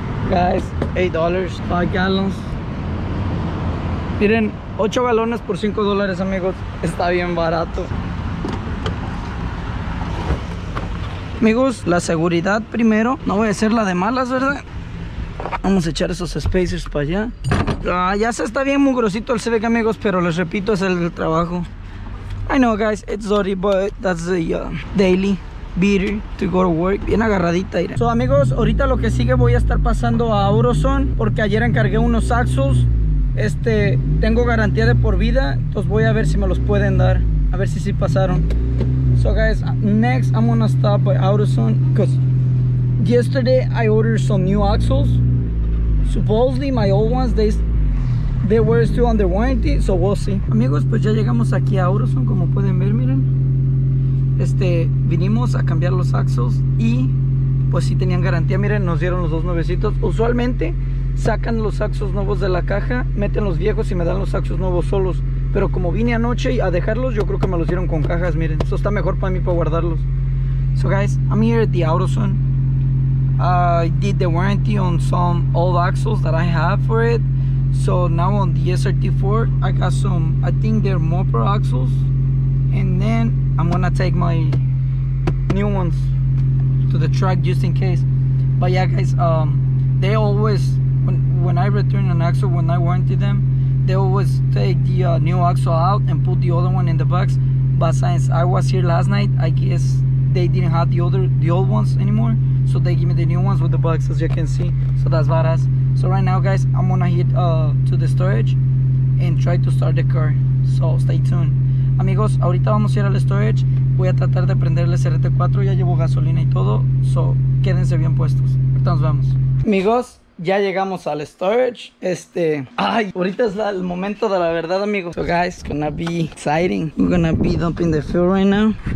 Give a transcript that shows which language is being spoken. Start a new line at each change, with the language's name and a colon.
English: Guys, $8, 5 gallons.
Spanish: Miren, 8 galones por $5, amigos. Está bien barato. Amigos, la seguridad primero. No voy a hacer la de malas, ¿verdad? Vamos a echar esos spacers para allá. Ah, ya se está bien mugrosito el Civic, amigos. Pero les repito, es el trabajo.
English: I know, guys, it's dirty, but that's the daily. Beater to go to work.
Spanish: Bien agarradita, mira. So, amigos, ahorita lo que sigue, voy a estar pasando a AutoZone, porque ayer encargué unos axles. Tengo garantía de por vida, entonces voy a ver si me los pueden dar, a ver si sí pasaron.
English: So guys, next I'm gonna stop by AutoZone, because yesterday I ordered some new axles. Supposedly my old ones, they were still under warranty. So we'll see.
Spanish: Amigos, pues ya llegamos aquí a AutoZone, como pueden ver, miren. Vinimos a cambiar los axles y pues sí tenían garantía. Miren, nos dieron los dos nuevecitos. Usualmente sacan los axles nuevos de la caja, meten los viejos y me dan los axles nuevos solos. Pero como vine anoche a dejarlos, yo creo que me los dieron con cajas. Miren, eso está mejor para mí, para guardarlos.
English: So guys, I'm here at the AutoZone. I did the warranty on some old axles that I have for it. So now on the SRT4, I got some, I think they're mopper axles. And then I'm gonna take my new ones. to the truck just in case. But yeah, guys, they always, when I return an axle, when I warranty them, they always take the new axle out and put the other one in the box. But since I was here last night, I guess they didn't have the old ones anymore. So they give me the new ones with the box, as you can see. So that's badass. So right now, guys, I'm gonna hit to the storage and try to start the car. So stay tuned.
Spanish: Amigos, ahorita vamos a ir al storage. Voy a tratar de prender el SRT4. Ya llevo gasolina y todo. So quédense bien puestos. Ahorita nos vemos. Amigos, ya llegamos al storage. Ay, ahorita es el momento de la verdad, amigos.
English: So guys, it's gonna be exciting. We're gonna be dumping the fuel right now.